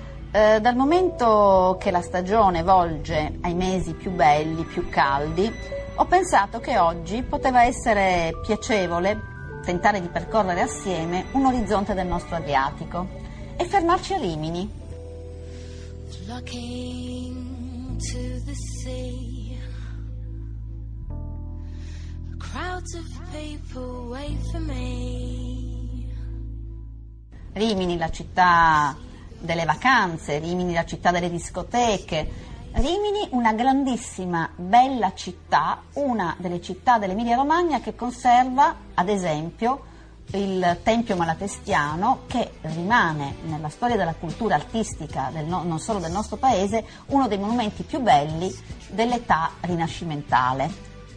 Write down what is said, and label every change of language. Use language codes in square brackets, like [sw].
[it] Dal momento che la stagione volge ai mesi più belli, più caldi, ho pensato che oggi poteva essere piacevole tentare di percorrere assieme un orizzonte del nostro Adriatico e fermarci a Rimini. [en] Looking to the sea, crowds of people wait for me. [it] Rimini, la città delle vacanze, Rimini, la città delle discoteche. Rimini, una grandissima, bella città, una delle città dell'Emilia Romagna che conserva, ad esempio, il Tempio Malatestiano, che rimane nella storia della cultura artistica, non solo del nostro paese, uno dei monumenti più belli dell'età rinascimentale.